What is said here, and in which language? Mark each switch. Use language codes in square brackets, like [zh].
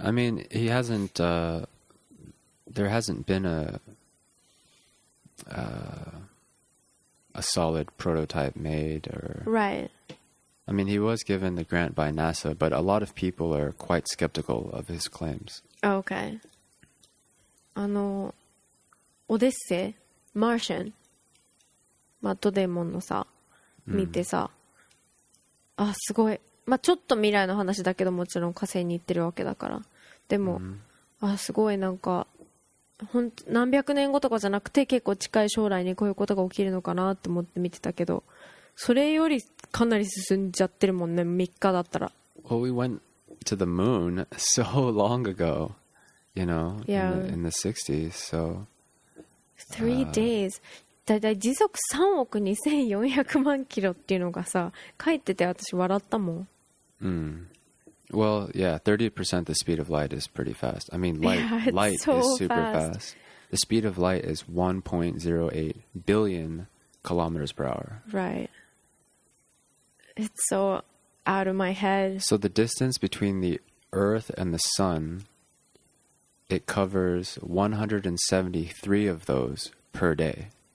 [en] I mean, he hasn't, there hasn't been a, a solid prototype made or... Right. I mean, he was given the grant by NASA, but a lot of people are quite skeptical of his claims. Okay. [ja] あの、オデッセイ、マーシャン、マットデーモンのさ、見てさ、あ、すごい。まあ、ちょっと未来の話だけど、もちろん火星に行ってるわけだから。でも、あ、すごい、なんか、ほんと、何百年後とかじゃなくて、結構近い将来にこういうことが起きるのかなって思って見てたけど、それよりかなり進んじゃってるもんね、3日だったら。 [en] Well, we went to the moon so long ago, you know, in the 60s, so... 3 days. [ja] だいたい時速3億2400万キロっていうのがさ、書いてて私笑ったもん。 Mm. [en] Well, yeah, 30% the speed of light is pretty fast. I mean, light so is super fast. Fast. The speed of light is 1.08 billion kilometers per hour. Right. It's so out of my head. So the distance between the Earth and the Sun, it covers 173 of those per day.